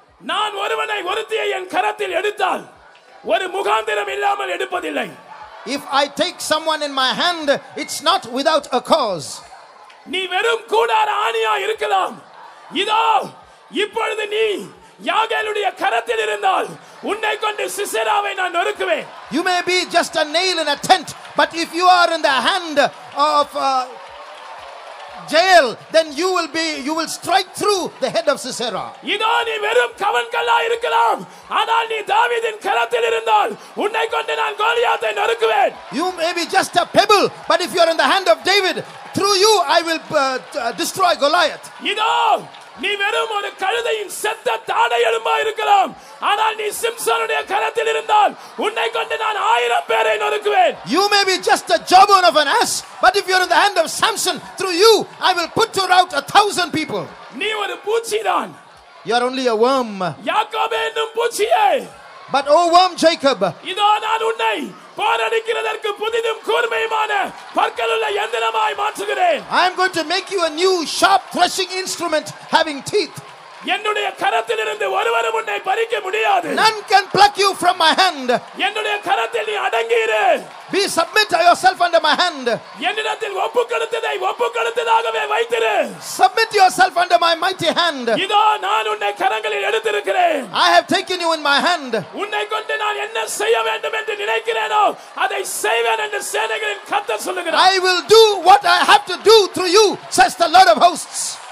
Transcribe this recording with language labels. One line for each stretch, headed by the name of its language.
Tamil: நான் ஒருவனை ஒருத்தியை என் கரத்தில் எடுத்தால் ஒரு முகாந்திரம் இல்லாமல் எடுப்பதில்லை.
English: If I take someone in my hand, it's not without a cause.
Tamil: நீ வெறும் கூடார ஆணியா இருக்கலாம், இதோ இப்பொழுது நீ யாகேலுடைய கரத்தில் இருந்தால் உன்னை கொண்டு சிசெராவை நான் நொறுக்குவேன்.
English: You may be just a nail in a tent, but if you are in the hand of Jael, then you will strike through the head of Sisera.
Tamil: இதோ நீ வெறும் கவன்கல்லா இருக்கலாம், ஆனால் நீ தாவீதின் கரத்தில் இருந்தால் உன்னை கொண்டு நான் கோலியாத்தை நொறுக்குவேன்.
English: You may be just a pebble, but if you are in the hand of David, through you I will destroy Goliath.
Tamil: இதோ நீ வெறும் ஒரு கழுதையின் செத்த தாடை எலும்பா இருக்கலாம், ஆனால் நீ சிம்சோனுடைய கரத்தில் இருந்தால் உன்னை கொண்டு நான் 1000 பேரை நொறுக்குவேன்.
English: You may be just a jawbone of an ass, but if you are in the hand of Samson, through you I will put to rout 1000 people.
Tamil: நீ ஒரு பூச்சிதான்,
English: you are only a worm.
Tamil: யாக்கோபே என்னும் பூச்சியே,
English: but oh worm Jacob,
Tamil: இதோ நான் உன்னை போரடிக்கிறதற்கு புதிதும் கூர்மையுமான பற்களுள்ள யந்திரமாய் மாற்றுகிறேன்.
English: I am going to make you a new sharp threshing instrument having teeth.
Tamil: என்னுடைய கரத்திலிருந்து ஒருவரும் உன்னை பறிக்க முடியாது.
English: None can pluck you from my hand.
Tamil: என்னுடைய கரத்தில் நீ அடங்கியிரு.
English: Be submit yourself under my hand.
Tamil: என்னிடத்தில் ஒப்புக்கொடுத்ததை ஒப்புக்கொடுத்ததாகவே வைத்திரு.
English: Submit yourself under my mighty hand.
Tamil: இதோ நான் உன்னை கரங்களில் எடுத்திருக்கிறேன்.
English: I have taken you in my hand.
Tamil: உன்னை கொண்டு நான் என்ன செய்ய வேண்டும் என்று நினைக்கிறேனோ அதை செய்வேன் என்று சேனைகளின் கர்த்தர் சொல்லுகிறார்.
English: I will do what I have to do through you, says the Lord of hosts.